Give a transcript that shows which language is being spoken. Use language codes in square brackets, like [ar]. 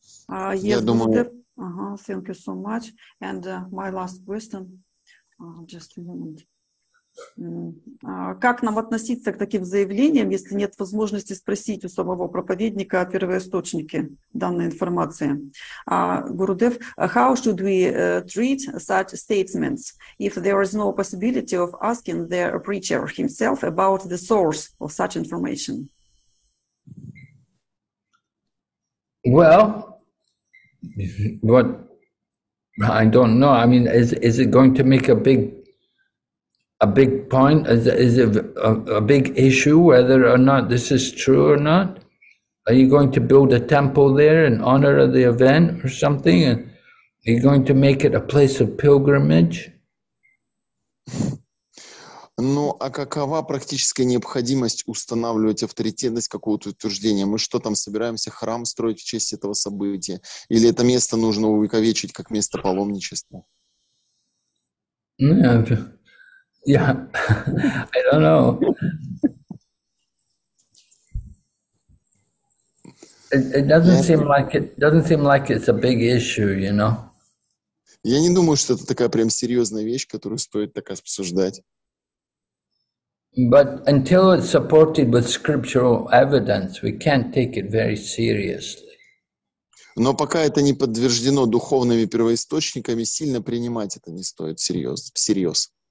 [en] Yes, [ru] я думаю... [en] thank you so much. And my last question... just a moment. [ru] Как нам относиться к таким заявлениям, если нет возможности спросить у самого проповедника о первоисточнике данной информации? [en] Gurudev, how should we treat such statements if there is no possibility of asking the preacher himself about the source of such information? Well, what I don't know. I mean, is it going to make a big point? Is it a big issue whether or not this is true or not? Are you going to build a temple there in honor of the event or something? And are you going to make it a place of pilgrimage? [ru] Ну, а какова практическая необходимость устанавливать авторитетность какого-то утверждения? Мы что там, собираемся храм строить в честь этого события? Или это место нужно увековечить как место паломничества? [en] Yeah, I don't know. It doesn't seem like it's a big issue, you know? [ru] Я не думаю, что это такая прям серьезная вещь, которую стоит так обсуждать. [en] But until it's supported with scriptural evidence, we can't take it very seriously. [ru] Но пока это не подтверждено духовными первоисточниками, сильно принимать это не стоит всерьез.